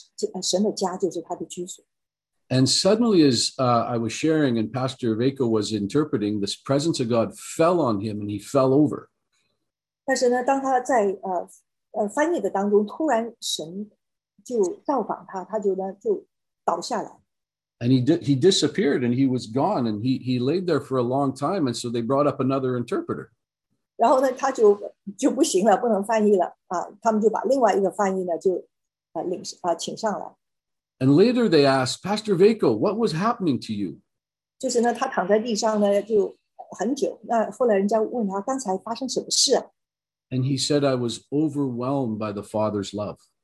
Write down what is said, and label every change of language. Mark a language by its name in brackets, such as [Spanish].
[Chinese] 所以那个时候就在分享呢，关于神的爱，神的爱愿意来居住在神的家中，神的家就是他的居所。 [English] And suddenly, as I was sharing and Pastor Vakil was interpreting, this presence of God fell on him and he fell over. [Chinese] 但是呢，当他在翻译的当中，突然神就到访他，他就呢就倒下来。 [English] And he disappeared and he was gone and he laid there for a long time and so they brought up another interpreter. [Chinese] 然后呢，他就不行了，不能翻译了啊，他们就把另外一个翻译呢就请上来。 [English] And later they asked, Pastor Vakil, what was happening to you? [Chinese] 就是呢，他躺在地上呢就很久。那后来人家问他刚才发生什么事啊？ [English] And he said, I was overwhelmed by the Father's love.